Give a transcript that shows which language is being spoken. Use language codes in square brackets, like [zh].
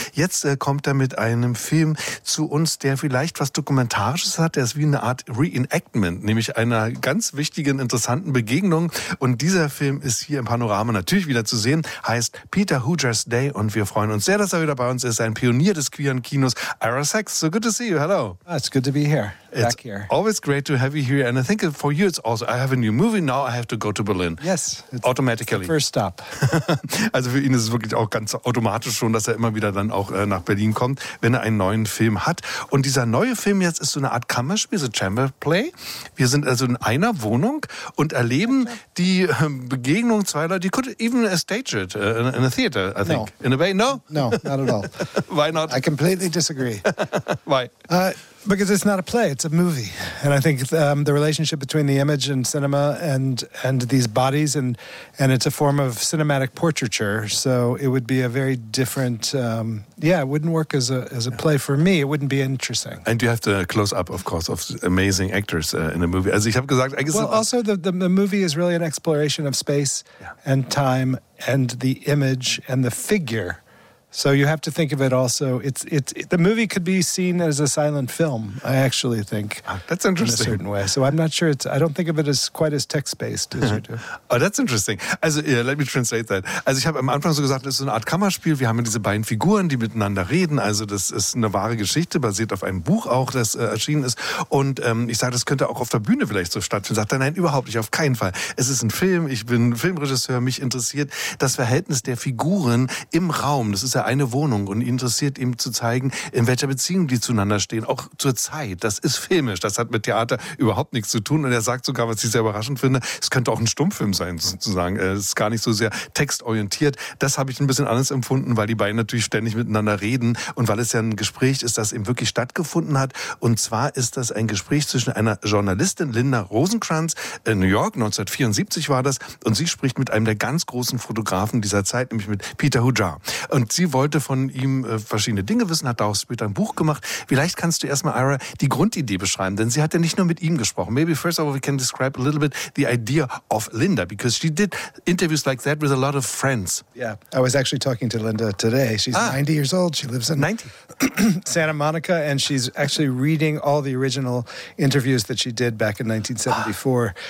[de] Jetzt kommt er mit einem Film zu uns, der vielleicht was Dokumentarisches hat. Der ist wie eine Art Reenactment, nämlich einer ganz wichtigen, interessanten Begegnung. Und dieser Film ist hier im Panorama natürlich wieder zu sehen. Heißt Peter Hooters Day und wir freuen uns sehr, dass er wieder bei uns ist, ein Pionier des queeren Kinos, Ira Sachs. [en] So good to see you. Hello. Oh, it's good to be here. It's back here. Always great to have you here. And I think for you, it's also, I have a new movie, now I have to go to Berlin. Yes. It's automatically. It's the first stop. [de] Also für ihn ist es wirklich auch ganz automatisch schon, dass er immer wieder dann auch nach Berlin kommt, wenn er einen neuen Film hat. Und dieser neue Film jetzt ist so eine Art Kammerspiel, so Chamber Play. Wir sind also in einer Wohnung und erleben die Begegnung zweier Leute. [en] You could even stage it in a theater, I think. No. In a bay? No? No, not at all. Why not? I completely disagree. Why? Because it's not a play, it's a movie. And I think the relationship between the image and cinema and these bodies, and it's a form of cinematic portraiture, so it would be a very different... it wouldn't work as a play for me. It wouldn't be interesting. And you have the close-up, of course, of amazing actors in the movie. As [de] ich habe gesagt, [en] I guess... Well, also, the movie is really an exploration of space and time and the image and the figure. So you have to think of it also. The movie could be seen as a silent film, I actually think. That's interesting. In a certain way. So I'm not sure I don't think of it as quite as text-based as you do. Oh, that's interesting. Also, yeah, let me translate that. [de] Also ich habe am Anfang so gesagt, es ist eine Art Kammerspiel. Wir haben diese beiden Figuren, die miteinander reden. Also das ist eine wahre Geschichte, basiert auf einem Buch auch, das erschienen ist. Und ich sage, das könnte auch auf der Bühne vielleicht so stattfinden. Sagt er, nein, überhaupt nicht, auf keinen Fall. Es ist ein Film, ich bin Filmregisseur, mich interessiert das Verhältnis der Figuren im Raum. Das ist eine Wohnung und interessiert ihm zu zeigen, in welcher Beziehung die zueinander stehen, auch zur Zeit. Das ist filmisch, das hat mit Theater überhaupt nichts zu tun. Und er sagt sogar, was ich sehr überraschend finde, es könnte auch ein Stummfilm sein, sozusagen. Es ist gar nicht so sehr textorientiert. Das habe ich ein bisschen anders empfunden, weil die beiden natürlich ständig miteinander reden und weil es ja ein Gespräch ist, das eben wirklich stattgefunden hat. Und zwar ist das ein Gespräch zwischen einer Journalistin, Linda Rosenkranz, in New York, 1974 war das, und sie spricht mit einem der ganz großen Fotografen dieser Zeit, nämlich mit Peter Hooter. Und sie wollte von ihm verschiedene Dinge wissen, hat daraus später ein Buch gemacht. Vielleicht kannst du erstmal, Ira, die Grundidee beschreiben, denn sie hat ja nicht nur mit ihm gesprochen. [en] Maybe first of all we can describe a little bit the idea of Linda, because she did interviews like that with a lot of friends. Yeah, I was actually talking to Linda today. She's 90 years old. She lives in 90. Santa Monica, and she's actually reading all the original interviews that she did back in 1974.